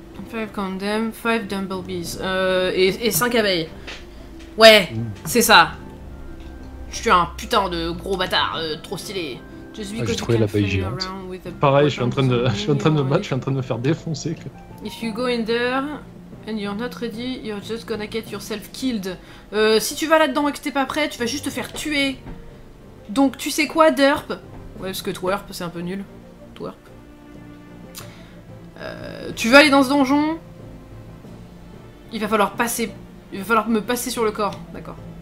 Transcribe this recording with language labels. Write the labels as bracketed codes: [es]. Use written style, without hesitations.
[en] 5 condemned, 5 dumblebees. [fr] Et 5 abeilles. Ouais, c'est ça. Je suis un putain de gros bâtard, trop stylé. J'ai trouvé l'abeille géante. Pareil, je suis en train de me faire défoncer. [en] If you go in there and you're not ready, you're just gonna get yourself killed. [fr] Si tu vas là-dedans et que t'es pas prêt, tu vas juste te faire tuer. Donc tu sais quoi, derp? Ouais, parce que twerp, c'est un peu nul. Twerp. Tu veux aller dans ce donjon? Il va falloir me passer sur le corps, d'accord.